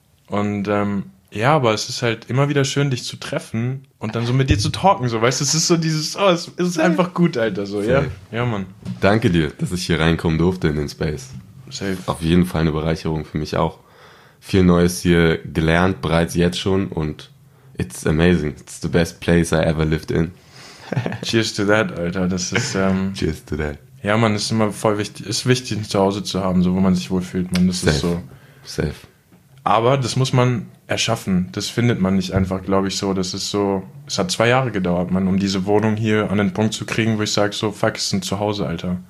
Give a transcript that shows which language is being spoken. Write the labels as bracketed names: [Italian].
[German] Und ja, aber es ist halt immer wieder schön, dich zu treffen und dann so mit dir zu talken, so, weißt du, es ist so dieses, oh, es ist einfach gut, Alter, so, ja. Ja, Mann. Danke dir, dass ich hier reinkommen durfte in den Space. Safe. Auf jeden Fall eine Bereicherung für mich auch. Viel Neues hier gelernt, bereits jetzt schon, und [English] it's amazing. It's the best place I ever lived in. Cheers to that, [German] Alter, das ist, [English] Cheers to that. [German] Ja, Mann, ist immer voll wichtig, ist wichtig, ein Zuhause zu haben, so, wo man sich wohlfühlt, Mann, das safe. Ist so. Safe. Aber das muss man erschaffen. Das findet man nicht einfach, glaube ich, so. Das ist so, es hat 2 Jahre gedauert, man, um diese Wohnung hier an den Punkt zu kriegen, wo ich sage, so, fuck, ist ein Zuhause, Alter.